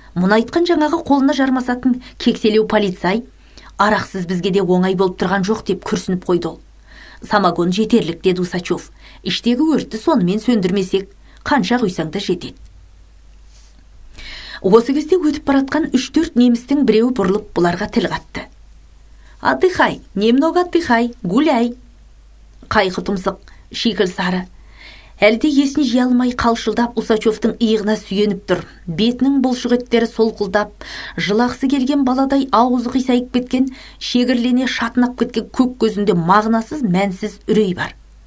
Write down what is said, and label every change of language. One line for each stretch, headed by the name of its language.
Kazakh: Мұны айтқан жаңағы қолына жармасатын кекселеу полицай, арақсыз бізге де оңай болып тұрған жоқ деп күрсініп қойды ол. Самогон жетерлік, деді Усачев. Іштегі өртті сонымен сөндірмесек, қанша құйсаң да жетеді. Осы кезде өтіп баратқан 3-4 немістің біреуі бұрылып бұларға тіл қатты.
Russian: Атыхай, немного атыхай, гуляй.
Kazakh: Қайқы тұмсық, шикіл сары. Әлде есін жия алмай қалшылдап Усачевтің иығына сүйеніп тұр. Бетінің бұлшық еттері солқылдап, жылақсы келген баладай аузы қисайып кеткен, шегірлене шатынап кеткен көк көзінде мағынасыз мәнсіз үрей бар.